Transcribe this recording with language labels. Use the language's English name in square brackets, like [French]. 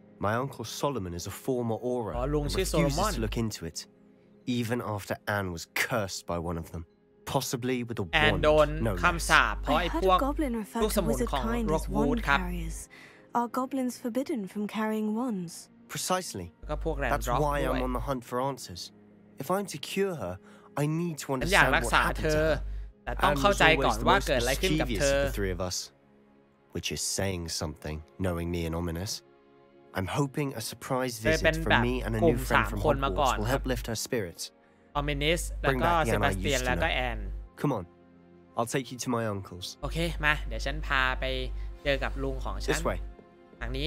[English] My uncle Solomon is a former Aura and refuses to look into it, even after Anne was cursed by one of them, possibly with a wand. No less. I heard a goblin refer to wizard kind as wand carriers. Are goblins forbidden from carrying wands? Precisely. That's why I'm on the hunt for answers. If I'm to cure her, I need to understand what happened to her. [Thai] แต่ต้องเข้าใจก่อนว่าเกิดอะไรขึ้นกับเธ [English] อ which is saying something knowing me and ominous I'm hoping a surprise visit from [Thai] แบบ [English] me and a new friend from Hogwarts will help lift her spirits [Thai] ominous แล้วก็ Sebastian แล้วก็ Anne [English] come on I'll take you to my uncle's [Thai] โอเคมาเดี๋ยวฉันพาไปเจอกับลุงของฉันทางนี